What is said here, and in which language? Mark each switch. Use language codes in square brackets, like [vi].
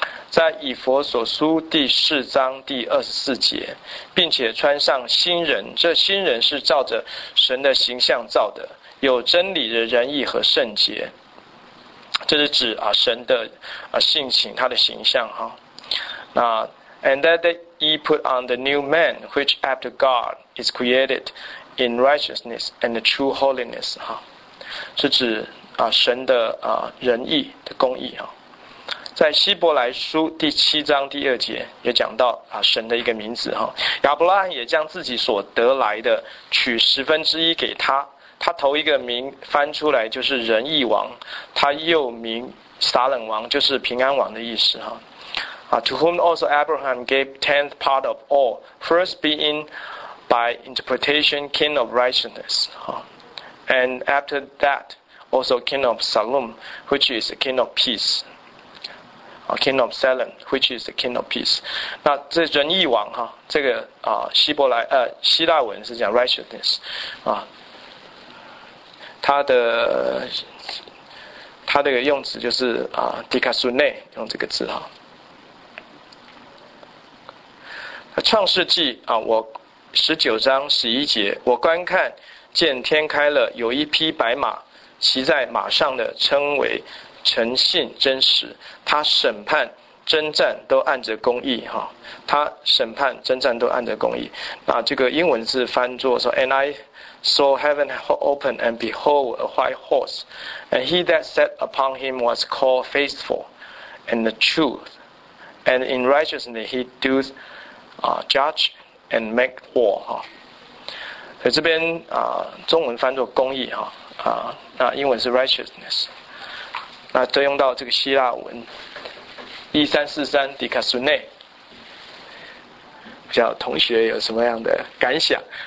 [zh] 在以弗所书4:24，并且穿上新人，这新人是照着神的形象造的，有真理的仁义和圣洁。这是指神的性情，他的形象。那 [en] And that ye put on the new man, which after God is created,in righteousness and the true holiness， [zh] 是指神的仁义的公义。在希伯来书7:2也讲到神的一个名字，亚伯拉罕也将自己所得来的取十分之一给他，他头一个名翻出来就是仁义王，他又名撒冷王，就是平安王的意思。 [en] To whom also Abraham gave tenth part of all, first beingby interpretation king of righteousness, and after that also king of Salem, which is the king of peace, king of Salem, which is the king of peace。 [zh] 那这仁义王这个希腊文是讲 righteousness， 他的它的用词就是迪卡苏内，用这个字哈。创世纪我19:11，我观看见天开了，有一匹白马，骑在马上的称为诚信真实，他审判征战都按着公义哈，他审判征战都按着公义。那这个英文字翻作说 [en] ，And I saw heaven open, and behold, a white horse, and he that sat upon him was called faithful, and the truth, and in righteousness he doth judge and make war 哈。 [zh] 所以这边中文翻作公义哈那英文是 righteousness， 那再用到这个希腊文。 1343迪卡苏内，不知道同学有什么样的感想。